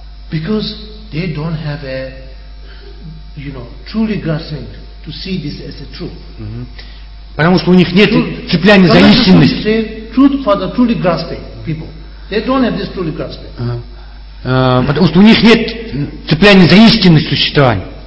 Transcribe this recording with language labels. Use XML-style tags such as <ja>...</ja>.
<en>Because they don't have a, you know, truly grasping to see this as a truth.</en> <ru>Потому что у них нет цепляния за истинность.</ru> <en>They truth for the truly grasping people. They don't have this truly grasping.</en> <ru>Потому что у них нет цепляния за истинность существования.</ru>